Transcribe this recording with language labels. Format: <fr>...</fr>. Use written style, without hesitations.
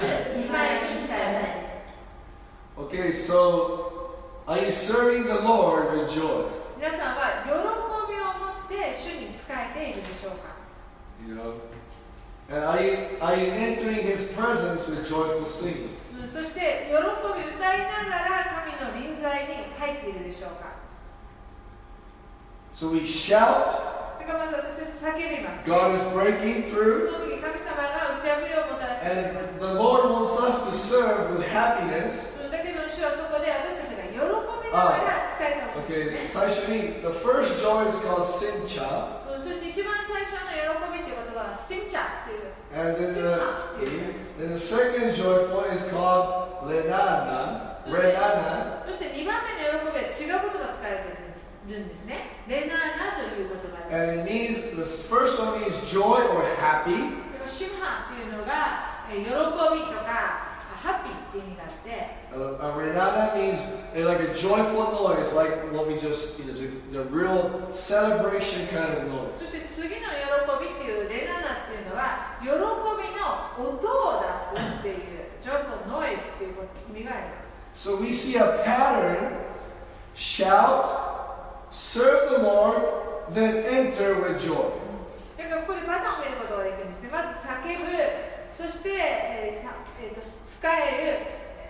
<en>Okay, so are you serving the Lord with joy? You know, and are you entering His presence with joyful singing?</en> <ja>そして喜び歌いながら神の臨在に入っているでしょうか。</ja> <en>So we shout.</en> <ja>だからまず私たち叫びます。</ja> <en>God is breaking through.</en> <ja>その時神様が打ち破りをもたらしています</ja> <en>。And the Lord wants us to serve with happiness.</en> <ja>だけど主はそこで私たちが喜びながら使えたかもしれない。</ja> <en>Okay.</en> <ja>最初に</ja> <en>the first joy is called simcha.</en> <ja>そして一番最初の喜びという言葉は simcha という。</ja> <en>And then the second joyful is called Lenana. Renana.</en> <ja>そして2番目の喜びは違う言葉を使われているんですね。 Lenana という言葉です。</ja> <en>And it means, the first one means joy or happy.</en> <ja>Shimha というのが喜びとか happy っていう意味があって。</ja> <en>Renana means like a joyful noise, like what we just, you know, the real celebration kind of noise.</en> <ja>そして次の喜びっていう Lenana っていうのは喜びの音を出すっていう</ja> <en>joyful noise</en> <ja>っていう意味があります。</ja> <en>So we see a pattern: shout, serve the Lord, then enter with joy.</en> <ja>だからここでパターンを見ることができるんですね。まず叫ぶ、そして、使える。</ja>